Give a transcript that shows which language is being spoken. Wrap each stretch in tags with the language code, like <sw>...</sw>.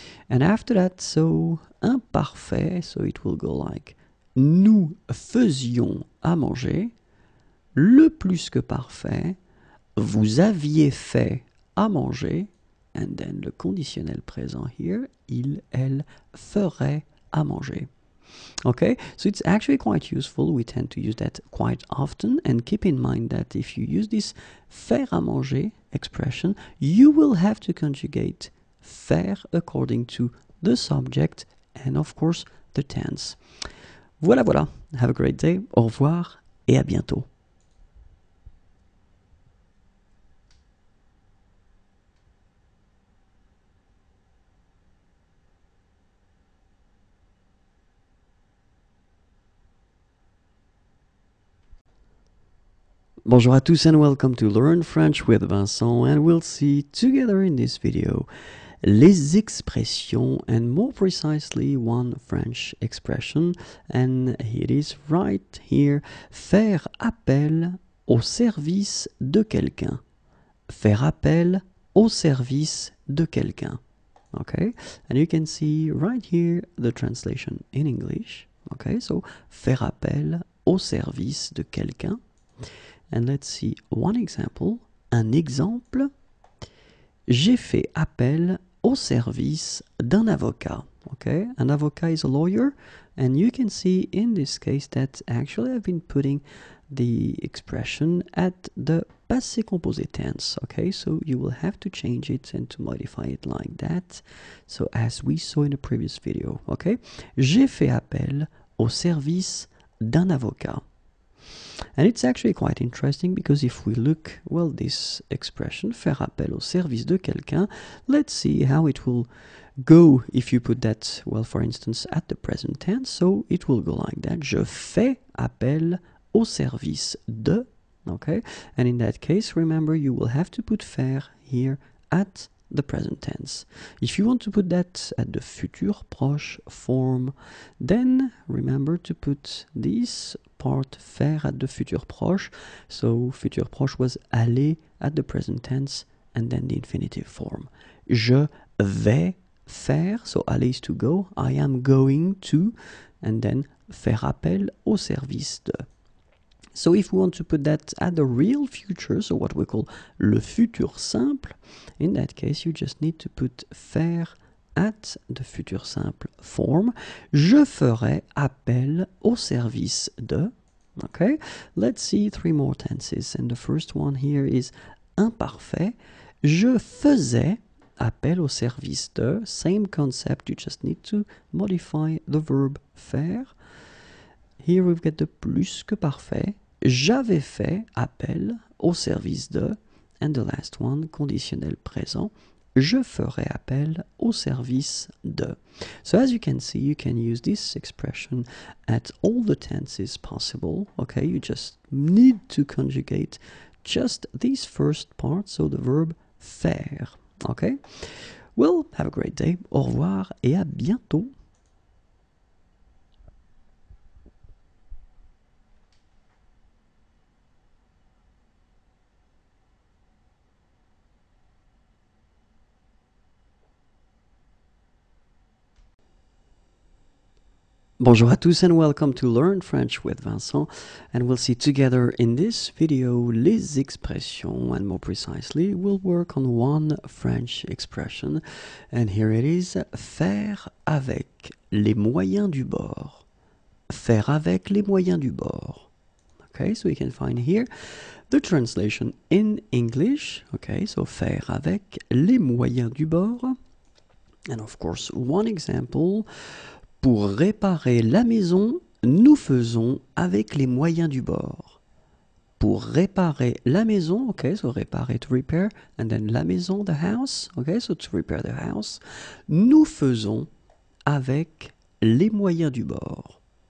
<en>And after that,</en> <fr>so imparfait,</fr> <en>so it will go like</en> <fr>nous faisions à manger, le plus que parfait, vous aviez fait à manger, and then le conditionnel présent here, il, elle ferait à manger.</fr> <en>Okay, so it's actually quite useful. We tend to use that quite often. And keep in mind that if you use this faire à manger expression, you will have to conjugate faire according to the subject and, of course, the tense.</en> <fr>Voilà, voilà.</fr> <en>Have a great day.</en> <fr>Au revoir et à bientôt. Bonjour à tous</fr> <en>and welcome to Learn French with Vincent, and we'll see together in this video les expressions, and more precisely one French expression, and it is right here,</en> <fr>faire appel au service de quelqu'un. Faire appel au service de quelqu'un.</fr> <en>Okay, and you can see right here the translation in English. Okay, so</en> <fr>faire appel au service de quelqu'un.</fr> <en>And let's see one example.</en> <fr>Un exemple. J'ai fait appel au service d'un avocat.</fr> <en>Okay, an avocat is a lawyer, and you can see in this case that actually I've been putting the expression at the passé composé tense. Okay, so you will have to change it and to modify it like that. So as we saw in a previous video, okay,</en> <fr>j'ai fait appel au service d'un avocat.</fr> <en>And it's actually quite interesting because if we look, well, this expression,</en> <fr>faire appel au service de quelqu'un,</fr> <en>let's see how it will go if you put that, well, for instance, at the present tense. So it will go like that.</en> <fr>Je fais appel au service de, okay?</fr> <en>And in that case, remember, you will have to put faire here at the present tense. If you want to put that at the futur proche form, then remember to put this part faire at the futur proche. So futur proche was aller at the present tense and then the infinitive form.</en> <fr>Je vais faire,</fr> <en>so aller is to go, I am going to, and then</en> <fr>faire appel au service de.</fr> <en>So if we want to put that at the real future, so what we call le futur simple, in that case you just need to put faire at the futur simple form.</en> <fr>Je ferai appel au service de.</fr> <en>Okay, let's see three more tenses. And the first one here is imparfait.</en> <fr>Je faisais appel au service de.</fr> <en>Same concept, you just need to modify the verb faire. Here we've got the plus que parfait.</en> <fr>J'avais fait appel au service de.</fr> <en>And the last one,</en> <fr>conditionnel présent. Je ferai appel au service de.</fr> <en>So as you can see, you can use this expression at all the tenses possible. Okay, you just need to conjugate just this first part, so the verb faire. Okay, well, have a great day.</en> <fr>Au revoir et à bientôt. Bonjour à tous</fr> <en>and welcome to Learn French with Vincent. And we'll see together in this video les expressions, and more precisely, we'll work on one French expression. And here it is,</en> <fr>faire avec les moyens du bord. Faire avec les moyens du bord.</fr> <en>Okay, so we can find here the translation in English. Okay, so</en> <fr>faire avec les moyens du bord.</fr> <en>And of course, one example.</en> <fr>Pour réparer la maison, nous faisons avec les moyens du bord. Pour réparer la maison,</fr> <en>okay, so réparer, to repair, and then la maison, the house, okay, so to repair the house,</en> <fr>nous faisons avec les moyens du bord.</fr>